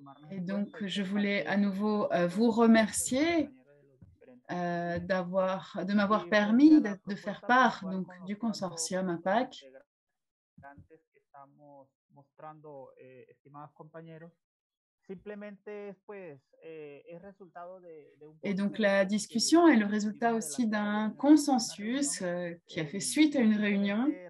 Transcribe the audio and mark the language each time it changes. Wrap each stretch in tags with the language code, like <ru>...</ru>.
<fr>Et donc, je voulais à nouveau vous remercier de m'avoir permis de faire part donc, du consortium APAC.</fr> <es>Estamos mostrando, estimados compañeros, Simplemente es, pues, es resultado de, de un...</es> <fr>Et donc la discussion est le résultat aussi d'un consensus qui a fait suite à une réunion.</fr>